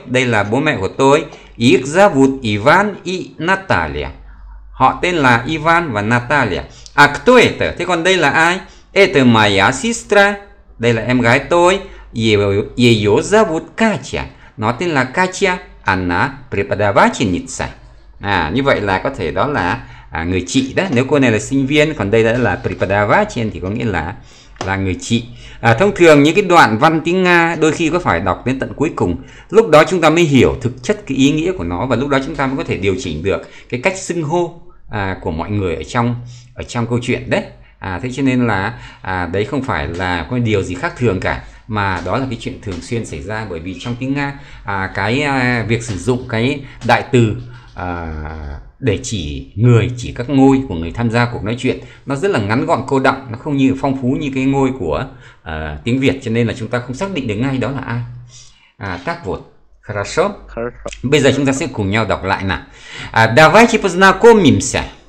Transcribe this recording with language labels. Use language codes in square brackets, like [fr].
[vi] Đây là bố mẹ của tôi. [ru] Их зовут Иван и Наталья. [vi] Họ tên là Иван và Наталья. [ru] А кто это? [vi] Thế còn đây là ai? [ru] Это моя сестра. [vi] Đây là em gái tôi. [ru] Ее зовут Катя. [vi] Nó tên là Катя. [ru] Она преподавательница. [vi] À, như vậy là có thể đó là người chị đó. Nếu cô này là sinh viên, còn đây đã là преподаватель thì có nghĩa là người chị. À, thông thường những cái đoạn văn tiếng Nga đôi khi có phải đọc đến tận cuối cùng, lúc đó chúng ta mới hiểu thực chất cái ý nghĩa của nó, và lúc đó chúng ta mới có thể điều chỉnh được cái cách xưng hô của mọi người ở trong câu chuyện đấy. À, thế cho nên là đấy không phải là có điều gì khác thường cả, mà đó là cái chuyện thường xuyên xảy ra, bởi vì trong tiếng Nga việc sử dụng cái đại từ để chỉ người, chỉ các ngôi của người tham gia cuộc nói chuyện, nó rất là ngắn gọn cô đọng, nó không như phong phú như cái ngôi của tiếng Việt, cho nên là chúng ta không xác định được ngay đó là ai. À, tác vụt. [ru] Хорошо. [vi] Bây giờ chúng ta sẽ cùng nhau đọc lại nào. [ru] À, давайте познакомимся.